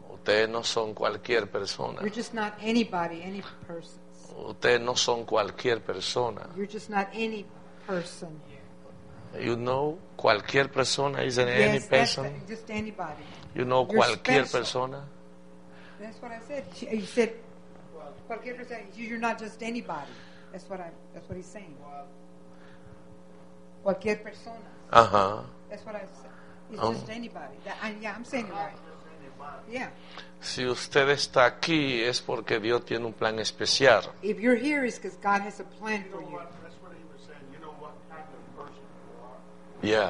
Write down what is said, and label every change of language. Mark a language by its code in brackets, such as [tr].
[es] Ustedes no son cualquier persona. [en] You're just not anybody, any person. [es] Ustedes no son cualquier persona. [en] You're just not any person. You know, [es] cualquier persona [en] is an yes, any person. That's just anybody. You know, you're [es] cualquier [en] special. [es] Persona. [en] That's what I said. You said, [es] cualquier persona, [en] you're not just anybody. That's what he's saying. [es] Cualquier persona. Uh-huh. [en] That's what I said. It's just anybody. I'm saying it right. Yeah. [es] Si usted está aquí es porque Dios tiene un plan especial. [en] If you're here is because God has a plan for you. That's what he was saying. You know what kind of person you are.